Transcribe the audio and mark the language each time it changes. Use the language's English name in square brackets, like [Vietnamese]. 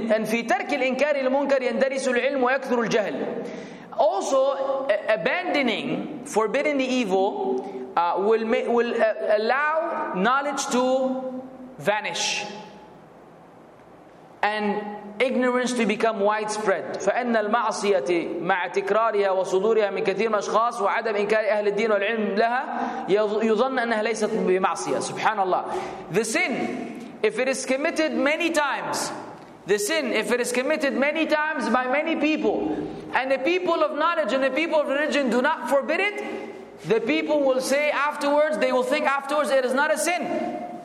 [Arabic] And فِي تَرْكِ الْإِنْكَارِ لِلْمُنْكَرِ يَنْدَرِسُ الْعِلْمُ وَيَكْثُرُ الْجَهْلِ. [English] Also, abandoning, forbidding the evil, will allow knowledge to vanish. and ignorance to become widespread. [Arabic] فإن المعصية مع تكرارها وصدورها من كثير من الأشخاص وعدم إنكار أهل الدين والعلم لها يظن أنها ليست بمعصية. سبحان الله. [English] The sin, if it is committed many times, the sin, if it is committed many times by many people, and the people of knowledge and the people of religion do not forbid it, the people will say afterwards, they will think afterwards it is not a sin.